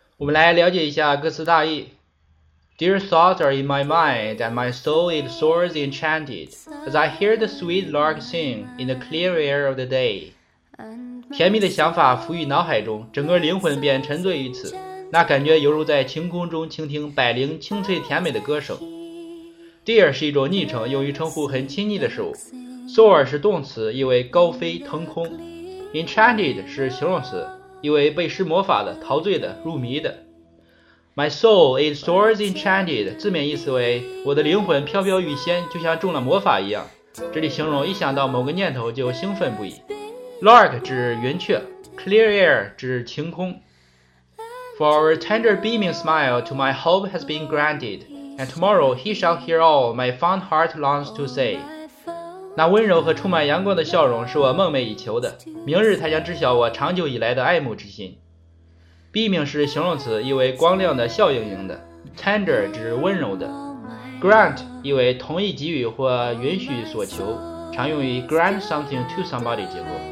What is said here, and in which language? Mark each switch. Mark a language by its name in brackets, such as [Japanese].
[Chinese] 我们来了解一下歌词大意。 [English] Dear thoughts are in my mind and my soul it soars enchanted as I hear the sweet lark sing in the clear air of the day. [Chinese] 甜蜜的想法浮于脑海中，整个灵魂便沉醉于此，那感觉犹如在晴空中倾听百灵清脆甜美的歌声。 Dear 是一种昵称，用于称呼很亲昵的事物。Soar 是动词，意为高飞腾空。 Enchanted 是形容词，意为被施魔法的、陶醉的、入迷的。 [English] My soul is soars enchanted [Chinese] 字面意思为我的灵魂飘飘欲仙，就像中了魔法一样。这里形容一想到某个念头就兴奋不已。 Lark 指云雀， Clear air 指晴空。 [English] For a tender beaming smile to my hope has been granted, and tomorrow he shall hear all my fond heart longs to say. [Chinese] 那温柔和充满阳光的笑容是我梦寐以求的，明日他将知晓我长久以来的爱慕之心。 Beaming 是形容词，意为光亮的、笑盈盈的。Tender 指温柔的。 Grant 意为同意给予或允许所求，常用于 [English] grant something to somebody [Chinese] 结构。